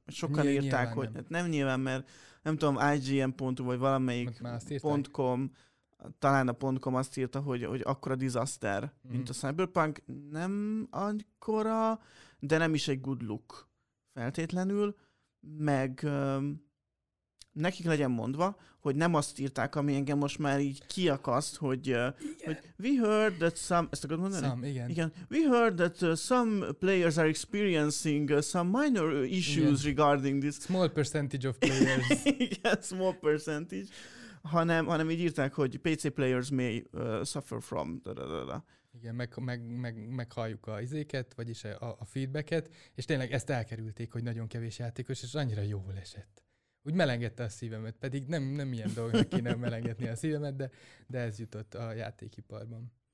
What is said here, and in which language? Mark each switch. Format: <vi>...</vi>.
<hu>Sokan írták, hogy nem. Nem nyilván, mert nem tudom, IGN.hu vagy valamelyik .com, talán a .com azt írta, hogy akkora disaster, mint a Cyberpunk. Nem akkora, de nem is egy good look feltétlenül. Meg nekik legyen mondva, hogy nem azt írták, ami engem most már így kiakaszt, hogy we heard that some... Ezt akarod mondani? Igen.</hu> <en>We heard that some players are experiencing some minor issues regarding this. Small percentage of players.</en> <hu>Igen, small percentage. Hanem így írták, hogy PC players may suffer from... Da-da-da-da. Igen, meg halljuk a izéket, vagyis a feedbacket, és tényleg ezt elkerülték, hogy nagyon kevés játékos, és annyira jól esett. Úgy melengette a szívemet, pedig nem ilyen dolgnak kéne melengetni a szívemet, de ez jutott a játékiparban.</hu>